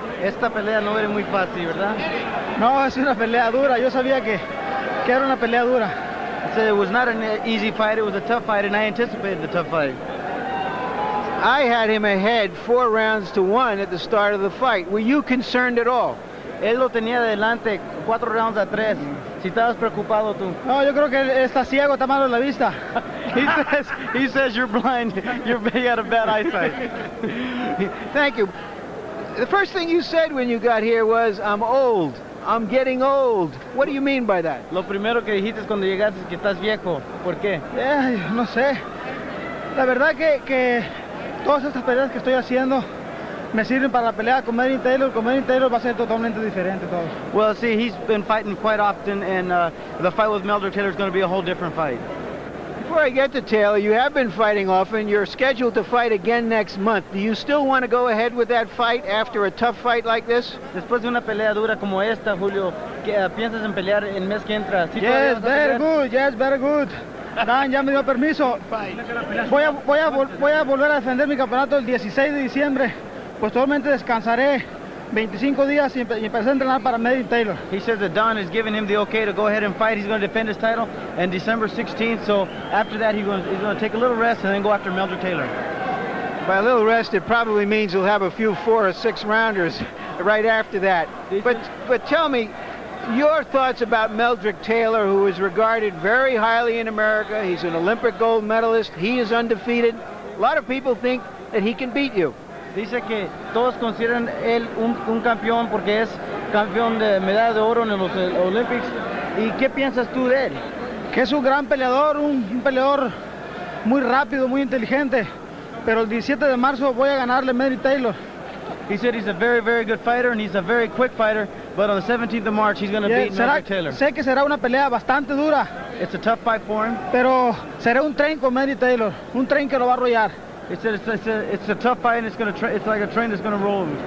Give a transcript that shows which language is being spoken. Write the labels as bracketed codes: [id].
[es] Esta pelea no era muy fácil, ¿verdad? No, es una pelea dura. Yo sabía que era una pelea dura. [en] I said it was not an easy fight. It was a tough fight, and I anticipated the tough fight. I had him ahead 4-1 at the start of the fight. Were you concerned at all? [es] él lo tenía adelante cuatro rounds a tres. Si estabas preocupado tú. No, yo creo que está ciego, está malo en la vista. [en] he says you're blind. You got a bad eyesight. Thank you. The first thing you said when you got here was, I'm old. I'm getting old. What do you mean by that? [es] Lo primero que dijiste cuando llegaste es que estás viejo. ¿Por qué? No sé. La verdad que todas estas peleas que estoy haciendo me sirven para la pelea con Manny Taylor. Con Manny Taylor va a ser totalmente diferente todo. [en] Well, see, he's been fighting quite often, and the fight with Meldrick Taylor is going to be a whole different fight. Before I get to Taylor, you have been fighting often. You're scheduled to fight again next month. Do you still want to go ahead with that fight after a tough fight like this? [es] Después de una pelea dura como esta, Julio, ¿piensas en pelear el mes que entra? [en] Yes, very good. Yes, very good. [es] Dan, ya me dio permiso. Voy a volver a defender mi campeonato el 16 de diciembre. Posteriormente descansaré 25 días y empezaré a entrenar para Manny Taylor. [en] He says that Don has given him the okay to go ahead and fight. He's going to defend his title on December 16th. So after that, he's going to take a little rest and then go after Meldrick Taylor. By a little rest, it probably means he'll have a few 4 or 6 rounders right after that. But tell me your thoughts about Meldrick Taylor, who is regarded very highly in America. He's an Olympic gold medalist. He is undefeated. A lot of people think that he can beat you. [es] Dice que todos consideran él un campeón porque es campeón de medalla de oro en los Olympics. ¿Y qué piensas tú de él? Que es un gran peleador, un peleador muy rápido, muy inteligente. Pero el 17 de marzo voy a ganarle a Manny Taylor. [en] He said he's a very, very good fighter and he's a very quick fighter. But on the 17th of March, he's going to beat Meldrick Taylor. [es] Sé que será una pelea bastante dura. [en] It's a tough fight for him. [es] Pero será un tren con Manny Taylor, un tren que lo va a arrollar. [en] He said it's a tough fight and it's like a train that's going to roll.